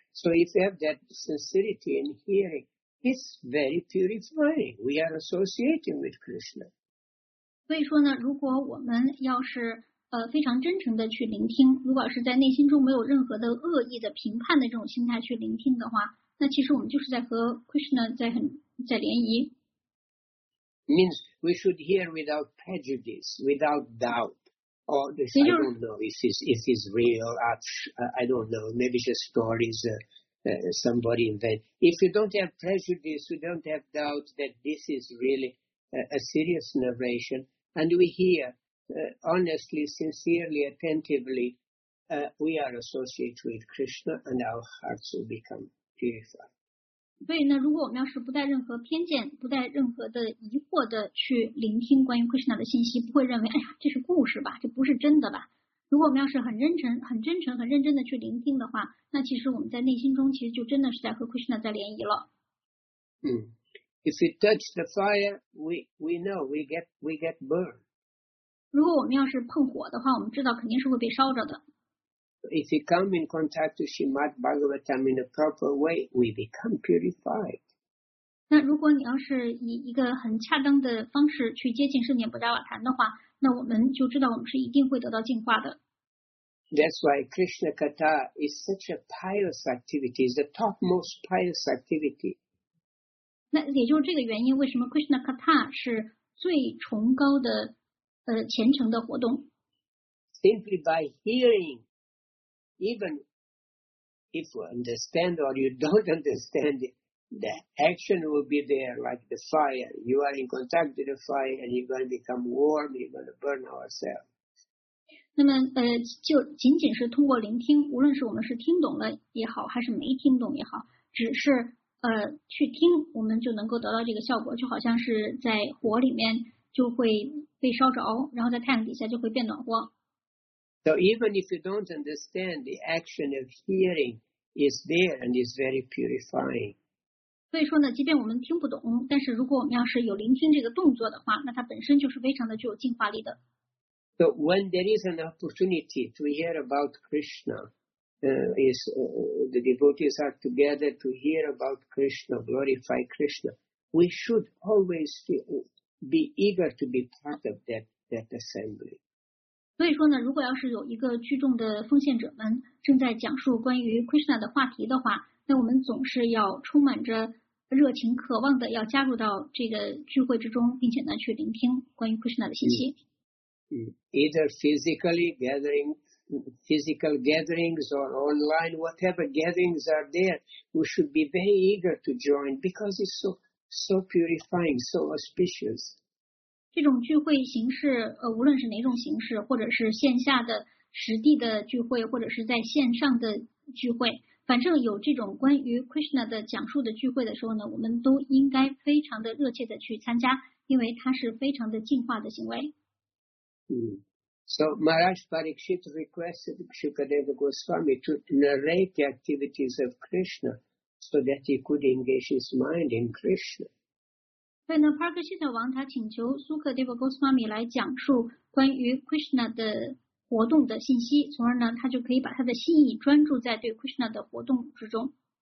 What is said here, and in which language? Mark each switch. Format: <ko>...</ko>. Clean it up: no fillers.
<en>So if you have that sincerity in hearing, it's very purifying. We are associating with Krishna.</en> <zh>所以说呢，如果我们要是非常真诚的去聆听，如果是在内心中没有任何的恶意的评判的这种心态去聆听的话，那其实我们就是在和 Krishna 在联谊。</zh> <en>Means we should hear without prejudice, without doubt. Or this, I don't know if it's real. I don't know. Maybe just stories somebody invented. If you don't have prejudice, you don't have doubt that this is really a serious narration, and we hear. Honestly, sincerely, attentively, we are associated with Krishna, and our hearts will become purified.</en> <zh>所以呢，如果我们要是不带任何偏见、不带任何的疑惑的去聆听关于 Krishna 的信息，不会认为哎呀这是故事吧，这不是真的吧？如果我们要是很真诚、很真诚、很认真的去聆听的话，那其实我们在内心中其实就真的是在和 Krishna 在联谊了。</zh> <en>If we touch the fire, we know we get burned.</en> <zh>如果我们要是碰火的话，我们知道肯定是会被烧着的。</zh> <en>If we come in contact with Srimad Bhagavatam in a proper way, we become purified.</en> <zh>那如果你要是以一个很恰当的方式去接近圣典布扎瓦坛的话，那我们就知道我们是一定会得到净化的。</zh> <en>That's why Krishna Katha is such a pious activity, is the topmost pious activity.</en> <zh>那也就是这个原因，为什么 Krishna Katha 是最崇高的虔诚的活动。</zh> <en>Simply by hearing, even if you understand or you don't understand it, the action will be there like the fire. You are in contact with the fire and you're going to become warm, you're going to burn ourselves.</en> <zh>那么就仅仅是通过聆听，无论是我们是听懂了也好还是没听懂也好，只是去听，我们就能够得到这个效果，就好像是在火里面就会被烧着，然后在太阳底下就会变暖和。</zh> <en>So even if you don't understand, the action of hearing is there and is very purifying.</en> <zh>所以说呢，即便我们听不懂，但是如果我们要是有聆听这个动作的话，那它本身就是非常的具有净化力的。</zh> <en>So when there is an opportunity to hear about Krishna, the devotees are together to hear about Krishna, glorify Krishna, we should always be eager to be part of that assembly.</en> <zh>所以说呢，如果要是有一个聚众的奉献者们正在讲述关于 Krishna 的话题的话，那我们总是要充满着热情，渴望的要加入到这个聚会之中，并且呢去聆听关于 Krishna 的信息。</zh> <en>Either physically gathering, physical gatherings or online, whatever gatherings are there, we should be very eager to join because it's so purifying, so auspicious.</en> <zh>这种聚会形式，无论是哪种形式，或者是线下的实地的聚会，或者是在线上的聚会，反正有这种关于 Krishna 的讲述的聚会的时候呢，我们都应该非常的热切的去参加，因为它是非常的净化的行为。</zh> <en>So Maharaj Parikshit requested Shukadeva Goswami to narrate the activities of Krishna so that he could engage his mind in Krishna.</en> <zh>所以呢 Parikshit 王他请求苏克德瓦 Goswami 来讲述关于 Krishna 的活动的信息，从而呢他就可以把他的心意专注在对 Krishna 的活动之中。</zh>